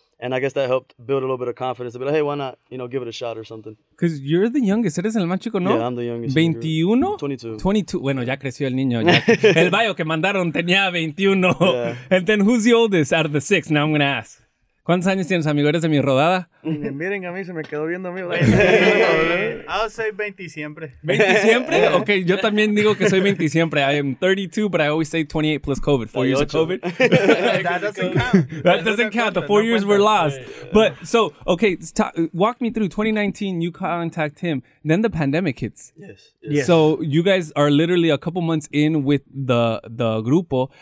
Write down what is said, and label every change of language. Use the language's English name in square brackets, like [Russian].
[English] And I guess that helped build a little bit of confidence. But hey, why not, you know, give it a shot or something. Because you're the youngest. [Spanish] Eres el más chico, ¿no? [English] Yeah, I'm the youngest. 21? 22. [Spanish] Bueno, ya creció el niño. El bio que mandaron tenía 21. [English] Yeah. And then who's the oldest out of the six? Now I'm going to ask. [Spanish] ¿Cuántos años tienes, amigo? ¿Eres de mi rodada? Miren a mí, se me quedó viendo a mí. [English] I'll say 20 siempre. [Spanish] ¿20 siempre? Ok, yo también digo que soy 20 siempre. [English] I am 32, but I always say 28 plus COVID. Four years of COVID. That doesn't count. The four years were lost. But so, ok, walk me through. 2019, you contact him. Then the pandemic hits. Yes. So you guys are literally a couple months in with the grupo.